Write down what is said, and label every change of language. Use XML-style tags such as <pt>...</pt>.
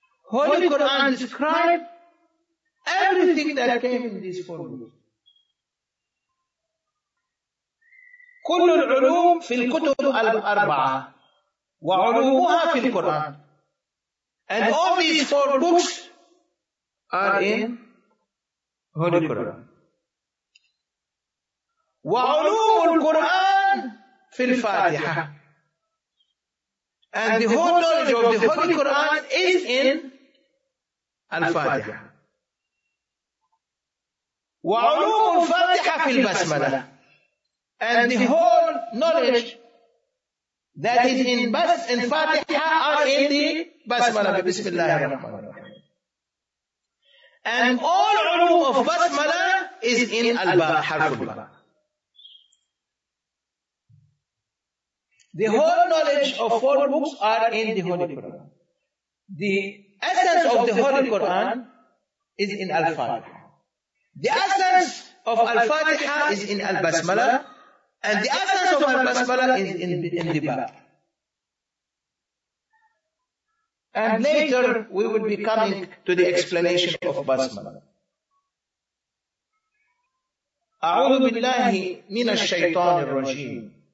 <en>Holy Quran describes everything that came in these four books.</en> <ar>كل العلوم في الكتب الأربعة وعلومها في القرآن.</ar> <en>And all these four books are in Holy Quran.</en> <ar>وعلوم القرآن في الفاتحة.</ar> <en>And the whole knowledge of the Holy Quran is in الفاتحة.</en> <ar>وعلوم الفاتحة في البسملة.</ar> <en>And the whole knowledge that is in Bas and Fatiha are in the Basmala, Bismillah ar-Rahman ar-Rahim. And all ulum of Basmala is in Alba, Harfullah. The whole knowledge of four books are in the Holy Quran. The essence of the Holy Quran is in Al-Fatiha. The essence of Al-Fatiha is in Al-Basmala. And the essence of Al-Basmala is in the Ba. And later we will be coming to the explanation of Basmala.</en> <ar>أعوذ بالله من الشيطان الرجيم.</ar>